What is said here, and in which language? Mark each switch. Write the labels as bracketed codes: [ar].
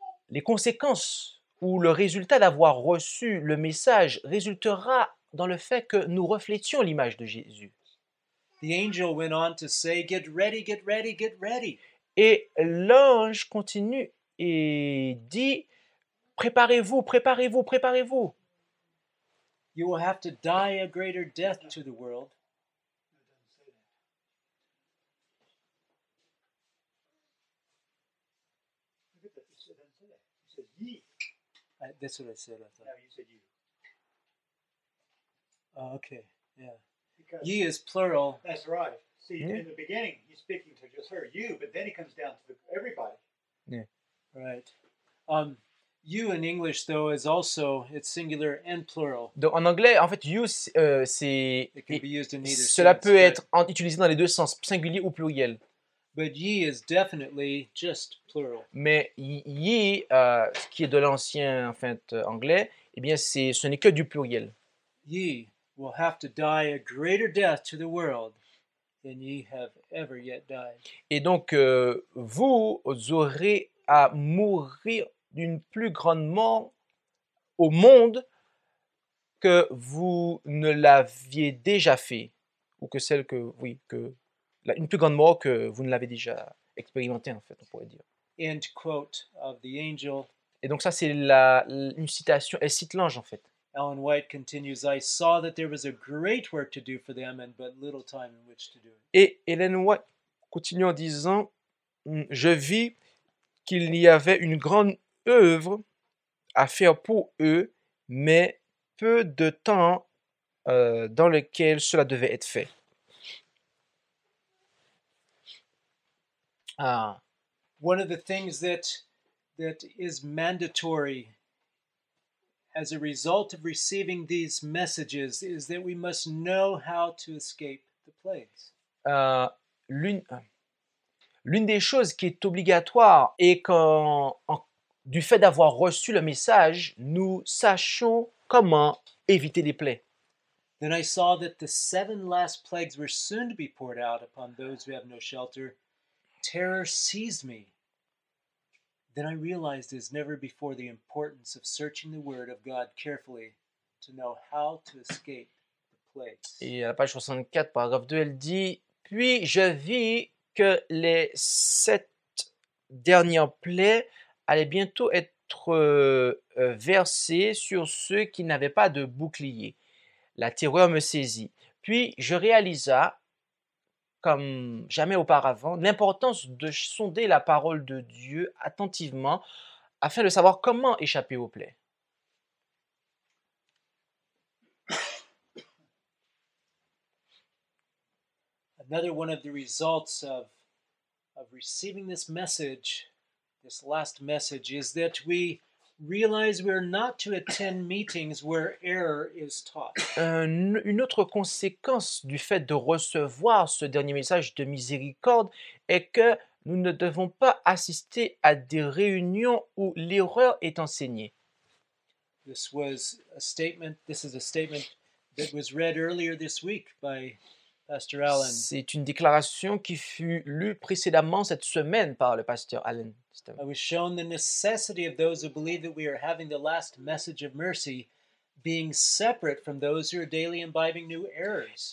[fr] Les conséquences ou le résultat d'avoir reçu le message résultera dans le fait que nous reflétions l'image de Jésus. [en] The angel went on to say, get ready, get ready, get ready. [fr] Et l'ange continue et dit, préparez-vous, préparez-vous, préparez-vous. [en] You will have to die a greater death to the world. That's what I said, I thought. No, you said you. Oh, okay, yeah. Because ye is plural. That's right. See, yeah. In the beginning, he's speaking to just her, you, but then he comes down to everybody. Yeah. Right. You in English, though, is also, it's singular and plural. [fr] Donc, en anglais, en fait, you, c'est... [en] It can be used in either sense. [fr] Cela peut être utilisé dans les deux sens, singulier ou pluriel. [en] But ye is definitely just plural. [fr] Mais ye, ce qui est de l'ancien, en fait, anglais, eh bien, ce n'est que du pluriel. [en] Ye will have to die a greater death to the world than ye have ever yet died. [fr] Et donc, vous aurez à mourir d'une plus grande mort au monde que vous ne l'aviez déjà fait, ou que celle que, oui, que la, une plus grande mort que vous ne l'avez déjà expérimentée, en fait, on pourrait dire. [en] End quote of the angel. [fr] Et donc ça, c'est une citation, elle cite l'ange en fait. [en] Ellen White continues, I saw that there was a great work to do for them and but little time in which to do it. [fr] Et Ellen White continue en disant, je vis qu'il y avait une grande œuvre à faire pour eux, mais peu de temps dans lequel cela devait être fait. [en] One of the things that is mandatory as a result of receiving these messages is that we must know how to escape the plagues. [fr] L'une des choses qui est obligatoire est du fait d'avoir reçu le message, nous sachions comment éviter les plaies. [en] Then I saw that the seven last plagues were soon to be poured out upon those who have no shelter. Terror seized me. Then I realized as never before the importance of searching the word of God carefully to know how to escape the plagues. [fr] Et à la page 64, paragraphe 2, elle dit, puis je vis que les sept dernières plaies allaient bientôt être versées sur ceux qui n'avaient pas de bouclier. La terreur me saisit. Puis je réalisa, comme jamais auparavant, l'importance de sonder la parole de Dieu attentivement afin de savoir comment échapper aux plaies. [en] Another one of the results of receiving this message, this last message, is that we realize we're not to attend meetings where error is taught. [fr] Une autre conséquence du fait de recevoir ce dernier message de miséricorde est que nous ne devons pas assister à des réunions où l'erreur est enseignée. [en] This is a statement that was read earlier this week by Pastor Allen. [fr] C'est une déclaration qui fut lue précédemment cette semaine par le pasteur Allen. [en] I was shown the necessity of those who believe that we are having the last message of mercy being separate from those who are daily imbibing new errors.